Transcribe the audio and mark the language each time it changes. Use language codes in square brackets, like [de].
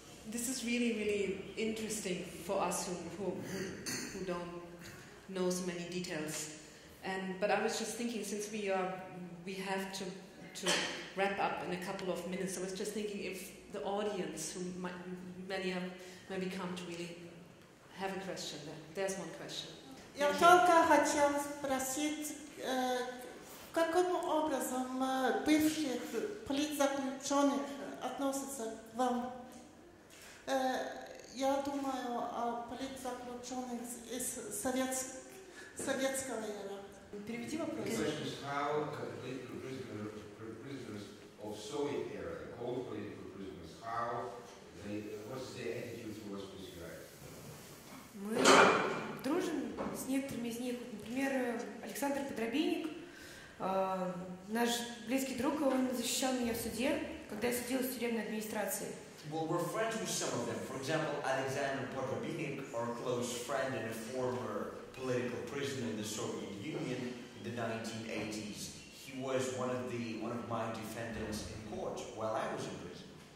[en] This is really, really interesting for us who don't know so many details. But I was just thinking, since we have to wrap up in a couple of minutes, I was just thinking if the audience, who might, many have maybe come to really have a question. There's one question. [ru] Я только хотел спросить, каким образом бывших политзаключенных относятся к вам? Я думаю о политзаключенных из советского эра. [en] Question is how political prisoners of Soviet era, the old political prisoners, how they, what's their attitude towards this guy? [ru] Мы дружим с некоторыми из них. Например, Александр Подробейник, наш близкий друг, он защищал меня в суде, когда я судилась в тюремной администрации. [en] Well, we're friends with some of them. For example, Alexander Podrobinik, our close friend and a former political prisoner in the Soviet Union in the 1980s. He was one of my defendants in court while I was in prison.